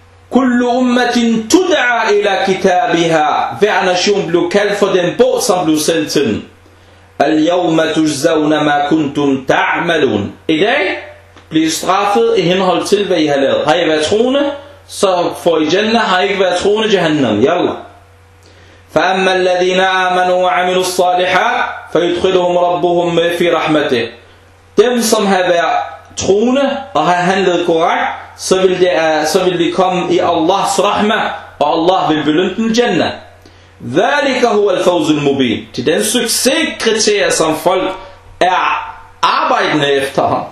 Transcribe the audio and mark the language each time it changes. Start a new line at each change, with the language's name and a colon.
Arabic: Kullu ummatin tud'a ila kitabiha.
Danish: Hver nation blev kaldt for den bog, som blev sendt til den.
Arabic: Al-yawma tujzawna ma kuntum ta'malun.
Danish: I dag bliver I straffet i henhold til, hvad I har lavet. Har I været troende, så får I jannah. Har I ikke været troende, jahannam.
Arabic: Yalla. فأما الذين آمنوا وعملوا الصالحات فيدخلهم ربهم في رحمته.
Danish: Dem som har været troende og har handlet korrekt, så vil de komme i Allahs rahma, og Allah vil belønne dem i Jannah.
Arabic: ذلك هو الفوز المبين.
Danish: Til den succeskriterie, som folk er arbejdende efter ham.